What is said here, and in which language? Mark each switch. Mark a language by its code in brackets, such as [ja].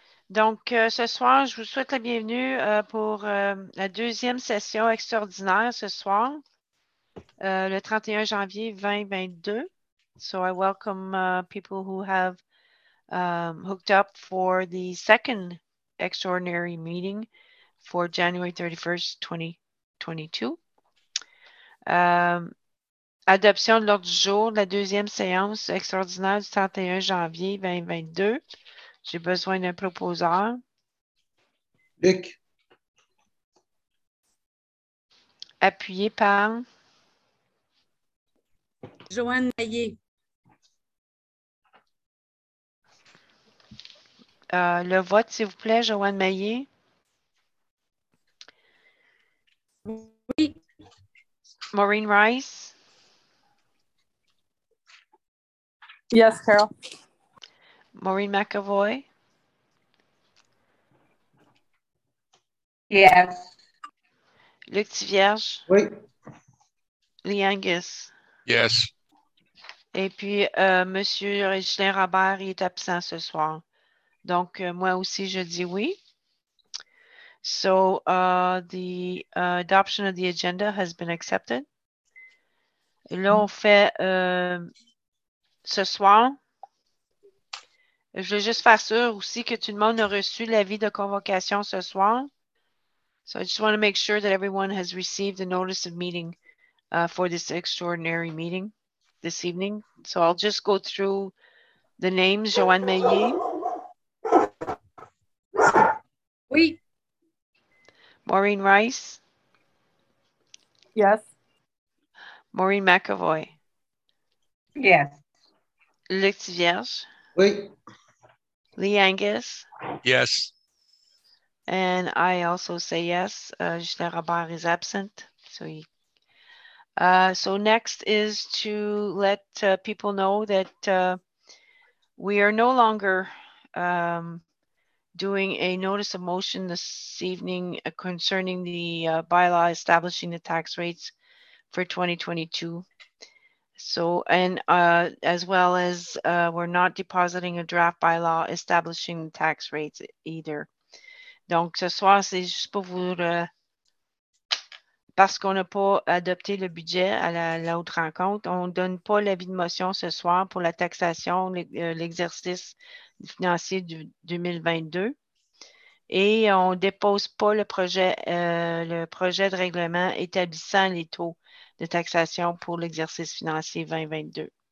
[fr] Donc, ce soir, je vous souhaite la bienvenue pour la deuxième session extraordinaire ce soir, le 31 janvier 2022. [en] So I welcome people who have hooked up for the second extraordinary meeting for January 31st, 2022. [fr] Adoption de l'ordre du jour de la deuxième séance extraordinaire du 31 janvier 2022. J'ai besoin d'un proposeur. Luc. Appuyé par. Joanne Maillé. Le vote, s'il vous plaît, Joanne Maillé. Oui. Maureen Rice. [en] Yes, Carol. [fr] Maureen McAvoy. [en] Yes. [fr] Luc Thivierge. Oui. Lee Angus. [en] Yes. [fr] Et puis, Monsieur Régilien Robert, il est absent ce soir. Donc, moi aussi, je dis oui. [en] So, the adoption of the agenda has been accepted. [fr] Et là, on fait... ce soir, je veux juste faire sûr aussi que tout le monde a reçu l'avis de convocation ce soir. [en] So I just want to make sure that everyone has received the notice of meeting for this extraordinary meeting this evening. So I'll just go through the names. Joanne Maillé. [fr] Oui. [en] Maureen Rice. Yes. Maureen McAvoy. Yes. Luc Thivierge. [fr] Oui. [en] Lee Angus. Yes. And I also say yes. Justin Robert is absent. So, he... so next is to let people know that we are no longer doing a notice of motion this evening concerning the bylaw establishing the tax rates for 2022. So, and as well as we're not depositing a draft bylaw establishing tax rates either. [fr] Donc, ce soir, c'est juste pour vous, parce qu'on n'a pas adopté le budget à la autre rencontre, on ne donne pas l'avis de motion ce soir pour la taxation, l'exercice financier du 2022. Et on ne dépose pas le projet de règlement établissant les taux de taxation pour l'exercice financier 2022.